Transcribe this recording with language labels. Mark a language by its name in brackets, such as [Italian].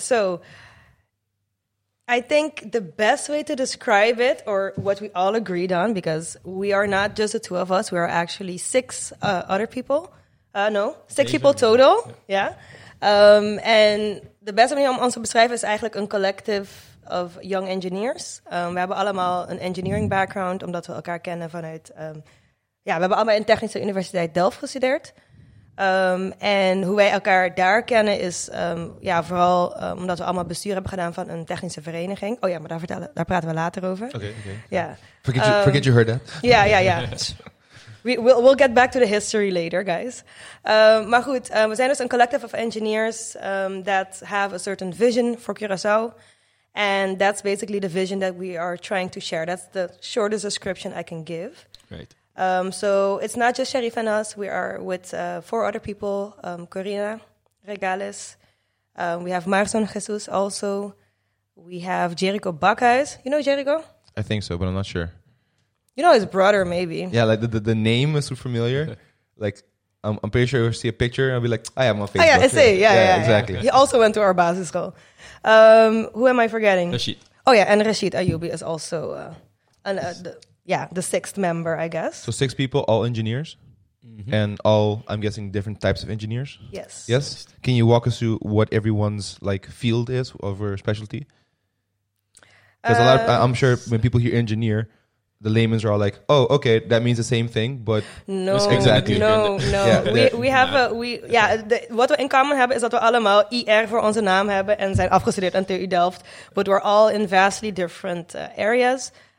[English] So I think the best way to describe it, or what we all agreed on, because we are not just the two of us, we are actually six people total. Yeah. And the best way [Dutch] om ons te beschrijven is eigenlijk een [English] collective of young engineers. [Dutch] We hebben allemaal een engineering background, omdat we elkaar kennen vanuit... we hebben allemaal in Technische Universiteit Delft gestudeerd. En hoe wij elkaar daar kennen is vooral omdat we allemaal bestuur hebben gedaan van een technische vereniging. Oh ja, maar daar praten we later over. Oké. Ja. [English] Forget you heard that. Yeah. We'll get back to the history later, guys. [Dutch] Maar goed, we zijn dus een [English] collective of engineers that have a certain vision for Curaçao. And that's basically the vision that we are trying to share. That's the shortest description I can give. Right. So it's not just Sharif and us. We are with four other people. Corina Regales. We have Marson Jesus also. We have Jericho Bakhuis. You know Jericho? I think so, but I'm not sure. You know his brother, maybe. Yeah, like the name is so familiar. Like, I'm pretty sure you'll see a picture and I'll be like, I have my Facebook. Oh, yeah, it's yeah, exactly. He also went to our basis school. Who am I forgetting? Rashid. Oh, yeah, and Rashid Ayoubi is also... the sixth member, I guess. So six people, all engineers, mm-hmm. and all, I'm guessing, different types of engineers? Yes. Yes? Can you walk us through what everyone's like field is of our specialty? Because I'm sure when people hear engineer, the laymans are all like, oh, okay, that means the same thing, but... No, exactly. No. What we in common [Dutch] hebben is dat we allemaal IR voor onze naam hebben en zijn afgestudeerd aan TU Delft, [English] but we're all in vastly different areas.